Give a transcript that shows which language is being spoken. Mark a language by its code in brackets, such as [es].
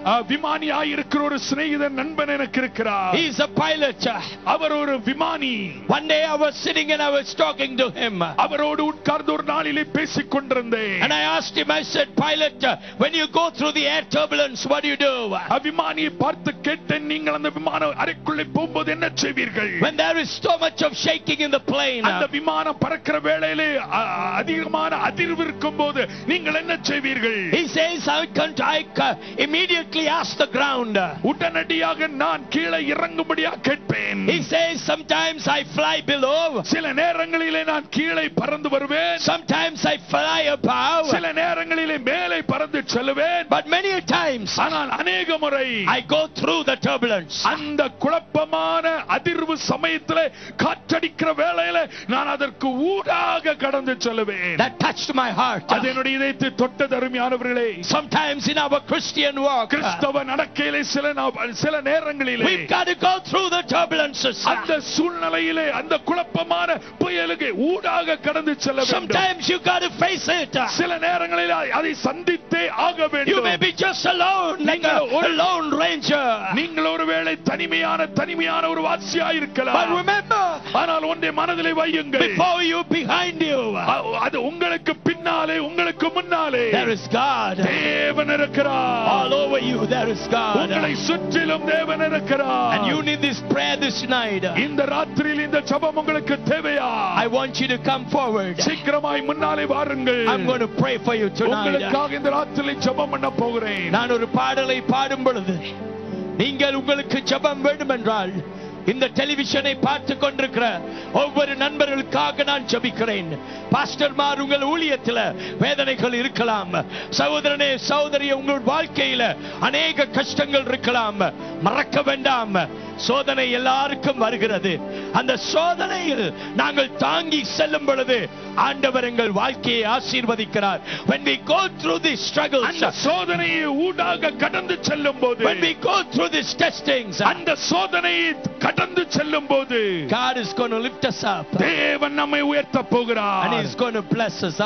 [ta] விமானியாய் இருக்கிற ஒரு சிநேகிதன் நண்பன் எனக்கு இருக்கிறார். [en] He is a pilot. [ta] அவர் ஒரு விமானி. [en] One day I was sitting and I was talking to him. [ta] அவரோடு உட்கார்ந்து ஒரு நாளிலே பேசிக் கொண்டிருந்தேன். [en] And I asked him, I said, pilot, when you go through the air turbulence, what do you do? [ta] விமானியை பார்த்து கேட்டேன், நீங்கள் அந்த விமான அறைக்குள்ளே போகும்போது என்ன செய்வீர்கள்? [en] When there is so much of shaking in the plane. [ta] அந்த விமானம் பறக்கிற வேளையிலே அதிகமான அதிர்வு இருக்கும் போது நீங்கள் என்ன செய்வீர்கள்? [en] He says, I immediately ask the ground. [ta] உடனடியாக நான் கீழே இறங்கும்படியா கேட்பேன். [en] He says, sometimes I fly below. [ta] சில நேரங்களிலே நான் கீழே பறந்து வருவேன். [en] Sometimes I fly above. [ta] சில நேரங்களிலே மேலே பறந்து செல்வேன். [en] But many a times, [ta] ஆனால் அநேக முறை, [en] I go through the turbulence. [ta] அந்த குழப்பமான அதிர்வு சமயத்தில் காற்றடிக்கிற வேளையில நான் அதற்கு ஊடாக கடந்து செல்வேன். [en] That touched my heart. [ta] அது என்னுடைய இதயத்தை தொட்டது. அருமையானவர்களே, [en] sometimes in our Christian walk, [ta] கிறிஸ்தவ நடக்கையிலே சில நேரங்களிலே, [en] we've got to go through the turbulences. [ta] அந்த சூழ்நிலையிலே அந்த குழப்பமான புயலுக்கு ஊடாக கடந்து செல்ல வேண்டும். [en] Sometimes you've got to face it. [ta] சில நேரங்களில் அதை சந்தித்தே ஆக வேண்டும். [en] You may be just alone. [ta] நீங்கள் ஒரு லோன் ரேஞ்சர். நீங்கள் ஒருவேளை தனிமையான ஒரு வாசியா இருக்கலாம். [en] But remember, [ta] ஆனால் ஒன்றை மனதிலே வையுங்கள். [en] Before you, behind you. [ta] அது உங்களுக்கு பின்னாலே, உங்களுக்கு முன்னாலே, [en] there is God. [ta] தேவன் இருக்கிறார். [en] All over you, there is God. [ta] உங்களை சுற்றிலும் தேவன் இருக்கிறார். [en] And you need this prayer this night. [ta] இந்த ராத்திரியில் இந்த ஜெபம் உங்களுக்கு தேவையா? [en] I want you to come forward. [ta] சீக்கிரமாய் முன்னாலே வாருங்கள். [en] I'm going to pray for you tonight. [ta] உங்களுக்காக இந்த ராத்திரியில் ஜெபம் பண்ண போகிறேன். நான் ஒரு பாடலை பாடும் பொழுது நீங்கள் உங்களுக்கு ஜெபம் வேண்டும் என்றால் இந்த டெலிவிஷனை பார்த்து கொண்டிருக்கிற ஒவ்வொரு நண்பர்களுக்காக நான் ஜெபிக்கிறேன். பாஸ்டர்மார், உங்கள் ஊழியத்தில் வேதனைகள் இருக்கலாம். சகோதரனே, சகோதரிய, உங்கள் வாழ்க்கையில அநேக கஷ்டங்கள் இருக்கலாம். மறக்க வேண்டாம், சோதனை எல்லாருக்கும் வருகிறது. அந்த சோதனையில் நாங்கள் தாங்கி செல்லும் பொழுது ஆண்டவர் எங்கள் வாழ்க்கையை ஆசீர்வதிக்கிறார். [en] When we go through these struggles, [ta] அந்த சோதனையை ஊடாக கடந்து செல்லும் போது, [en] When we go through these testings, [ta] அந்த சோதனையை கடந்து செல்லும் போது, [en] God is going to lift us up. [ta] தேவன் நம்மை உயர்த்த போகிறார். [en] And he's going to bless us.